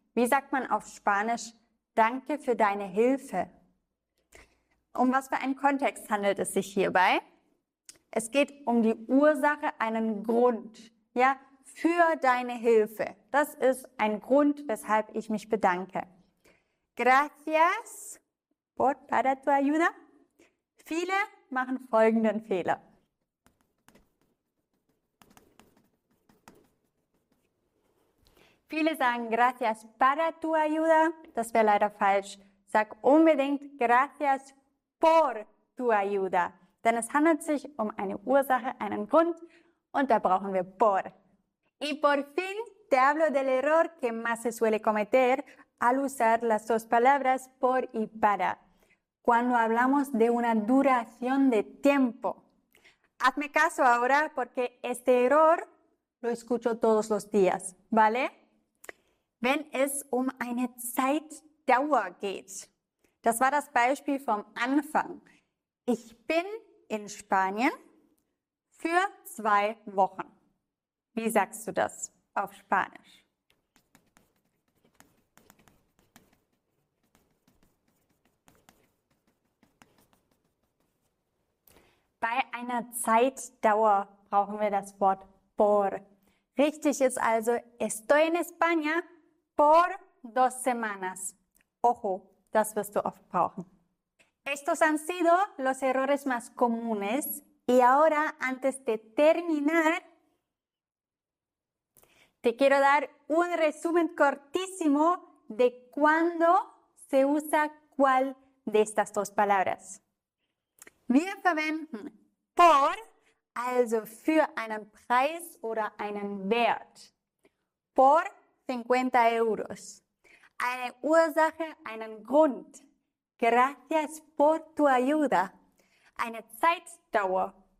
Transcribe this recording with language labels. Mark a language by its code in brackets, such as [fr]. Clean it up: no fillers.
[de] Wie sagt man auf Spanisch, danke für deine Hilfe? Um was für einen Kontext handelt es sich hierbei? Es geht um die Ursache, einen Grund, ja, für deine Hilfe. Das ist ein Grund, weshalb ich mich bedanke. [es] Gracias por para tu ayuda. [de] Viele machen folgenden Fehler. Viele sagen [es] gracias para tu ayuda. [de] Das wäre leider falsch. Sag unbedingt [es] gracias por tu ayuda. [de] Denn es handelt sich um eine Ursache, einen Grund. Und da brauchen wir por. [es] Y por fin te hablo del error que más se suele cometer al usar las dos palabras por y para. Cuando hablamos de una duración de tiempo. Hazme caso ahora porque este error lo escucho todos los días, ¿vale? [de] Wenn es um eine Zeitdauer geht. Das war das Beispiel vom Anfang. Ich bin in Spanien für 2 Wochen. Wie sagst du das auf Spanisch? Bei einer Zeitdauer brauchen wir das Wort por. Richtig ist also, [es] estoy en España por 2 semanas. [de] Ojo, das wirst du oft brauchen. [es] Estos han sido los errores más comunes. Y ahora, antes de terminar, te quiero dar un resumen cortísimo de cuándo se usa cuál de estas 2 palabras. [de] Wir verwenden por, also für einen Preis oder einen Wert. [es] Por 50 euros. [de] Eine Ursache, einen Grund. [es] Gracias por tu ayuda. [de] Eine Zeitdauer.